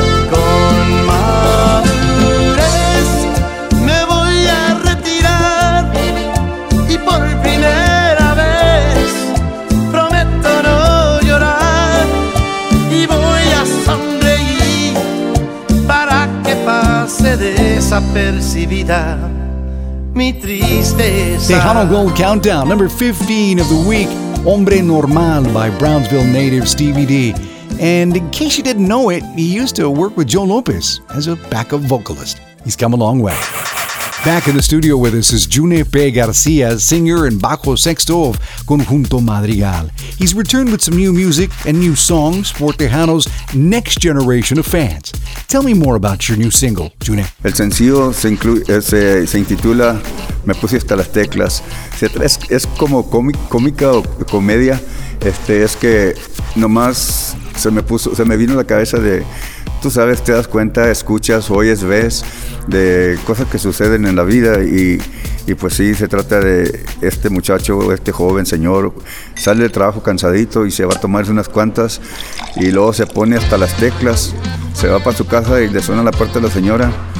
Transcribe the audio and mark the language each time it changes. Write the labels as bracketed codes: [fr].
[es] Con madurez me voy a retirar y por primera vez prometo no llorar, y voy a sonreír para que pase desapercibida mi tristeza. [en] Tejano Gold Countdown, number 15 of the week, Hombre Normal by Brownsville native Stevie D. And in case you didn't know it, he used to work with Joe Lopez as a backup vocalist. He's come a long way. Back in the studio with us is June P. Garcia, singer and bajo sexto of Conjunto Madrigal. He's returned with some new music and new songs for Tejano's next generation of fans. Tell me more about your new single, June. [es] El sencillo se intitula Me Puse Hasta Las Teclas. Es como cómica o comedia. Es que nomás se me vino a la cabeza de, tú sabes, te das cuenta, escuchas, oyes, ves de cosas que suceden en la vida y pues sí, se trata de este muchacho, este joven señor, sale del trabajo cansadito y se va a tomar unas cuantas y luego se pone hasta las teclas, se va para su casa y le suena la puerta de la señora.